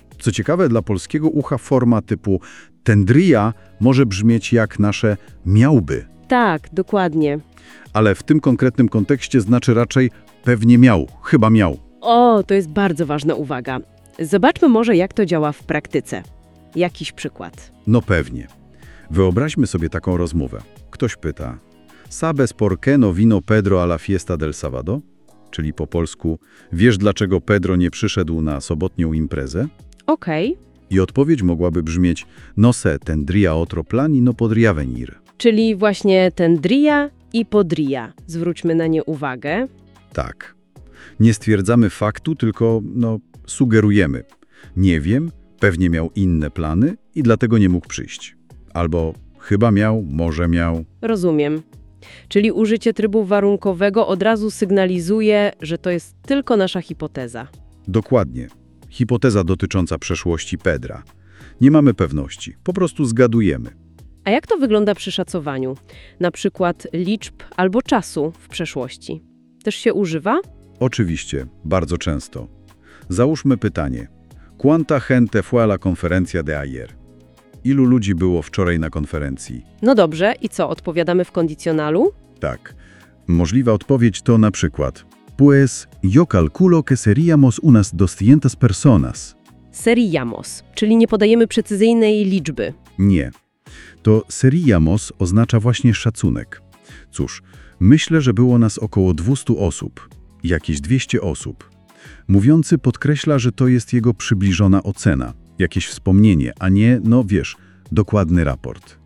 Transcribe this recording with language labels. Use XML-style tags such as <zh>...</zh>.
<pl>Co ciekawe, dla polskiego ucha forma typu tendría może brzmieć jak nasze miałby. Tak, dokładnie. Ale w tym konkretnym kontekście znaczy raczej pewnie miał, chyba miał. O, to jest bardzo ważna uwaga. Zobaczmy może, jak to działa w praktyce. Jakiś przykład. No pewnie. Wyobraźmy sobie taką rozmowę. Ktoś pyta,</pl> <es>¿Sabes por qué no vino Pedro a la fiesta del sábado?</es> <pl>Czyli po polsku, wiesz dlaczego Pedro nie przyszedł na sobotnią imprezę? Okej. Okay. I odpowiedź mogłaby brzmieć,</pl> <es>no se tendría otro plan y no podría venir.</es> <pl>Czyli właśnie tendría i podría. Zwróćmy na nie uwagę. Tak. Nie stwierdzamy faktu, tylko sugerujemy. Nie wiem, pewnie miał inne plany i dlatego nie mógł przyjść. Albo chyba miał, może miał. Rozumiem. Czyli użycie trybu warunkowego od razu sygnalizuje, że to jest tylko nasza hipoteza. Dokładnie. Hipoteza dotycząca przeszłości Pedra. Nie mamy pewności, po prostu zgadujemy. A jak to wygląda przy szacowaniu? Na przykład liczb albo czasu w przeszłości. Też się używa? Oczywiście, bardzo często. Załóżmy pytanie.</pl> <es>¿Cuánta gente fue a la conferencia de ayer?</es> <pl>Ilu ludzi było wczoraj na konferencji? No dobrze, i co, odpowiadamy w kondycjonalu? Tak. Możliwa odpowiedź to na przykład.</pl> <es>Pues yo calculo que seríamos unas 200 personas.</es> <pl>Seríamos, czyli nie podajemy precyzyjnej liczby. Nie. To seríamos oznacza właśnie szacunek. Cóż, myślę, że było nas około 200 osób, jakieś 200 osób. Mówiący podkreśla, że to jest jego przybliżona ocena, jakieś wspomnienie, a nie, dokładny raport.</pl>